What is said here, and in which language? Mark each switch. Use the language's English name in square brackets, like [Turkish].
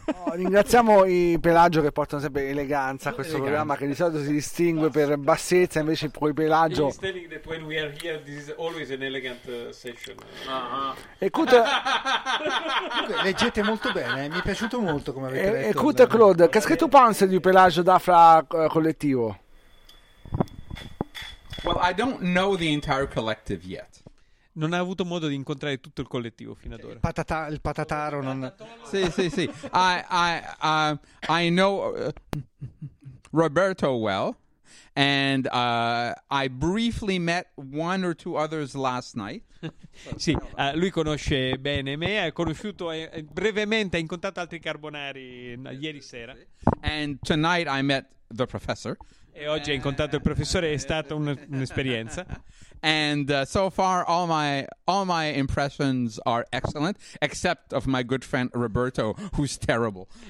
[Italian] Ringraziamo i Pelagio che portano sempre eleganza a questo programma, che di solito si distingue per bassezza, invece poi Pelagio... [English] He's telling that when we are here, this is always an elegant session. [Italian] Uh-huh. E Kuta... leggete molto bene, mi è piaciuto molto come avete detto. E Kuta Claude, che ha scritto Pansa di Pelagio d'Afra collettivo? [English] Well, I don't know the entire collective yet. [Italian] Non ha avuto modo di incontrare tutto il collettivo fino ad ora. Il patataro oh, non... Sì. [English] I know Roberto well, and I briefly met one or two others last night. [Italian] Sì, lui conosce bene me, ha conosciuto brevemente, ha incontrato altri carbonari ieri sera. [English] And tonight I met the professor. [Italian] E oggi ha incontrato il professore, è stata un'esperienza. [English] And so far all my impressions are excellent, except of my good friend Roberto, who's terrible.